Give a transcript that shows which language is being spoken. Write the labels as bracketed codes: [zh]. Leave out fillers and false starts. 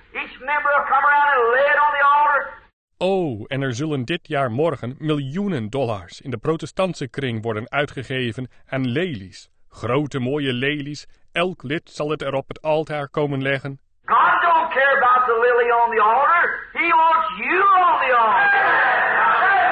[en] Each member will come around and lay it on the altar. [nl] Oh, en er zullen dit jaar morgen miljoenen dollars in de protestantse kring worden uitgegeven aan lelies. Grote, mooie lelies. Elk lid zal het er op het altaar komen leggen. [en] God don't care about the lily on the altar. He wants you on the altar.